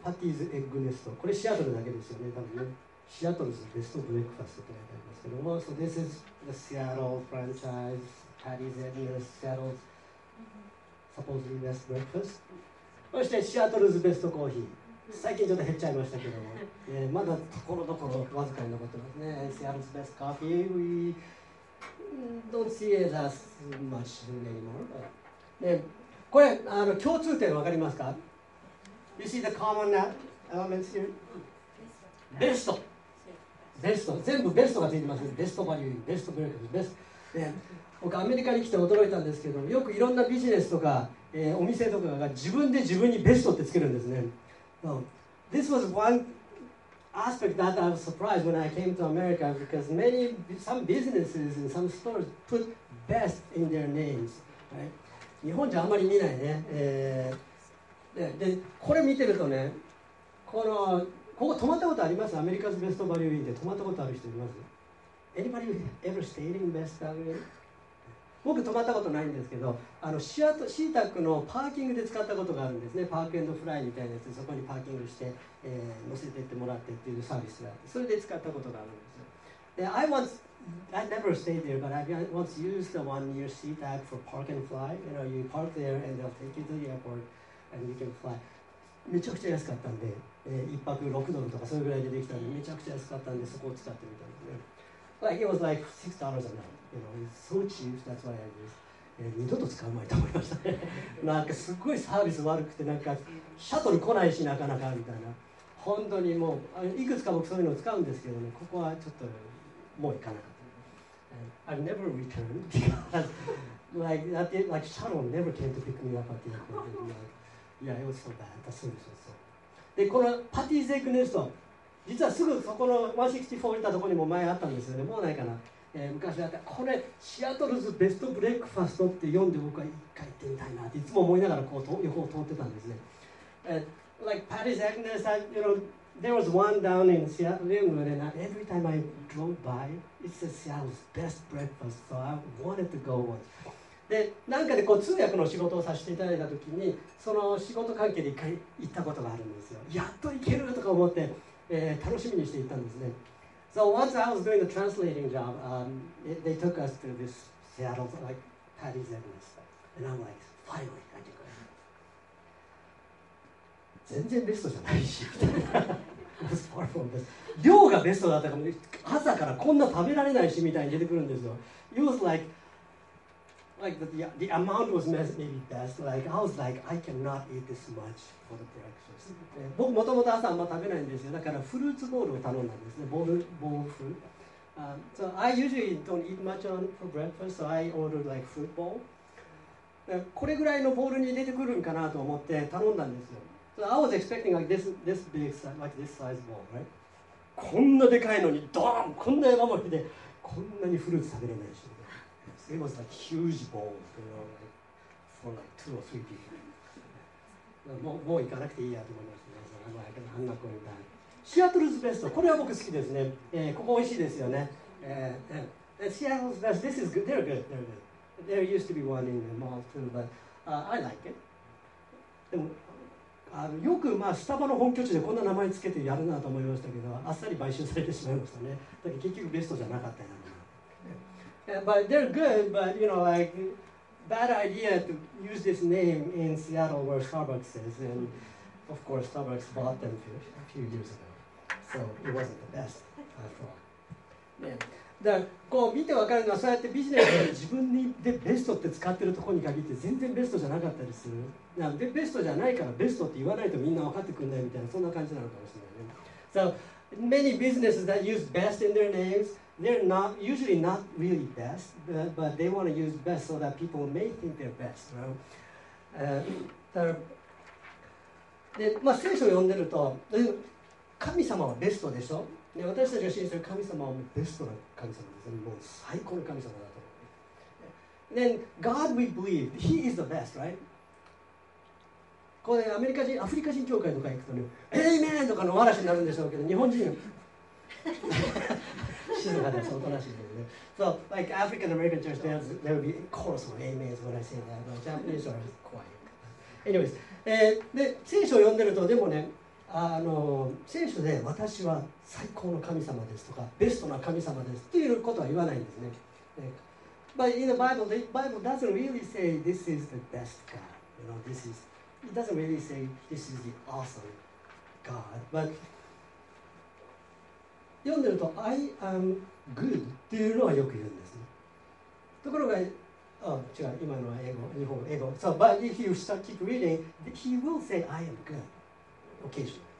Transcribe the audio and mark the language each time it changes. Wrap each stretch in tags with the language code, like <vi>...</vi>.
<ja>パティーズエッグネスト。これシアトルだけですよね、多分ね。シアトルズベストブレックファストって書いてありますけども。</ja> <en>So this is the Seattle franchise. Patty's Edmonds, Seattle's supposedly best breakfast.</en> <ja>そしてシアトルズベストコーヒー。最近ちょっと減っちゃいましたけども、まだところどころわずかに残ってますね。</ja> <en>Seattle's best coffee, we don't see it as much anymore.</en> <ja>これ、あの共通点わかりますか？</ja> <en>You see the common elements here? Best. Best.</en> <ja>全部 best がついてます。</ja> <en>Best value, best breakfast, best.</en> <ja>僕アメリカに来て驚いたんですけども、よくいろんなビジネスとか、お店とかが自分で自分にベストってつけるんですね。</ja> <en>So, this was one aspect that I was surprised when I came to America because many, some businesses and some stores put best in their names, right?</en> <ja>日本じゃあまり見ないね。で、これ見てるとね、この、ここ泊まったことあります？アメリカズベストバリューインで泊まったことある人います？</ja> <en>Anybody ever stayed in best value?</en> <ja>僕泊まったことないんですけど、あのシアト、シータックのパーキングで使ったことがあるんですね。パークエンドフライみたいなやつでそこにパーキングして、乗せてってもらってっていうサービスがあって、それで使ったことがあるんですよ。</ja> <en>で、I never stayed there, but I once used the one near Sea Tac for park and fly. You know, you park there and they'll take you to the airport and you can fly.</en> <ja>めちゃくちゃ安かったんで、1泊6ドルとかそれぐらいでできたんで、めちゃくちゃ安かったんでそこを使ってみたんですね。</ja> <en>Like, it was like $6 a night. You know, it's so cheap, that's why I use.</en> <ja>二度と使うまいと思いましたね。なんかすごいサービス悪くて、なんかシャトル来ないし、なかなかみたいな。本当にもう、いくつか僕そういうのを使うんですけどね、ここはちょっともう行かなかった。</ja> <en>I've never returned because, like, that, like, Shuttle never came to pick me up at the airport. Like, yeah, it was so bad. That's so bad. So.</en> <ja>で、このパティーズエッグネスト、実はすぐそこの164行ったところにも前あったんですよね。もうないかな。昔だったこれシアトルズベストブレックファストって読んで僕は一回行ってみたいなっていつも思いながらこう横を通ってたんですね。</ja> <en>Like Patty's Agnes, I, you know, there was one down in Seattle, Linwood, and every time I drove by, it says Seattle's best breakfast, so I wanted to go once.</en> <ja>で、なんかでこう通訳の仕事をさせていただいたときに、その仕事関係で一回行ったことがあるんですよ。やっと行けるとか思って、楽しみにして行ったんですね。</ja> <en>So once I was doing the translating job, they took us to this Seattle, like, Patty's Edmonds. And I'm like, finally, I can go.</en> <ja>全然ベストじゃないし、みたいな。</ja> <en>It was far from best.</en> <ja>量がベストだったかも。朝からこんな食べられないし、みたいに出てくるんですよ。</ja> <en>It was like the amount was maybe best. Like, I was like, I cannot eat this much for the breakfast.</en> <ja>僕もともと朝あんま食べないんですよ。だからフルーツボールを頼んだんですね。</ja> <en>ボールフル。So I usually don't eat much on for breakfast, so I ordered like fruit bowl.</en> <ja>これぐらいのボールに入れてくるんかなと思って頼んだんですよ。</ja> <en>So I was expecting like this big size, like this size bowl, right?</en> <ja>こんなでかいのにドーン、こんな山盛りでこんなにフルーツ食べれないし。</ja> <en>So it was like huge bowl, you know, like for like two or three people.</en> <ja>もう行かなくていいやと思いますね。あんなこれみたいな。シアトルズベスト、これは僕好きですね。ここ美味しいですよね。</ja> <en>シアトルズベスト、this is good. They're good. They're good. There used to be one in the mall too, but I like it.</en> <ja>でもあのよくまあスタバの本拠地でこんな名前つけてやるなと思いましたけど、あっさり買収されてしまいましたね。だから結局ベストじゃなかったような。</ja> <en>But they're good, but you know, like. Bad idea to use this name in Seattle where Starbucks is, and of course Starbucks bought them a few years ago, so it wasn't the best after all.</en> <ja>だこう見てわかるのはそうやってビジネスで自分でベストって使ってるところに限って全然ベストじゃなかったりする。なんでベストじゃないからベストって言わないとみんな分かってくんないみたいな、そんな感じなのかもしれないね。</ja> <en>So many businesses that use best in their names. They're not usually not really best, but they want to use best so that people may think they're best, right?</en> <ja>で、まあ聖書を読んでると、神様はベストでしょ。で、私たちが信じている神様はベストな神様ですね。もう最高の神様だと。</ja> <en>Then God we believe, He is the best, right?</en> <ja>これ、ね、アメリカ人、アフリカ人教会とか行くとね、エイメンとかの嵐になるんでしょうけど、日本人静かです、おとなしいですね。</ja> <en>So, like African American church, there will be chorus of amen is what I say that, but Japanese are quiet.</en> <ja>Anyways,、で、聖書を読んでると、でもね、聖書で私は最高の神様ですとか、ベストな神様ですっていうことは言わないんですね。</ja> <en>But in the Bible, the Bible doesn't really say this is the best God. You know, this isIt doesn't really say this is the awesome God, but</en> <ja>読んでると</ja> <en>I am good</en> <ja>っていうのはよく言うんですね。ところが、あ、違う、今のは英語、日本語、英語。</ja> <en>So, but if you start keep reading, he will say I am good occasionally.</en>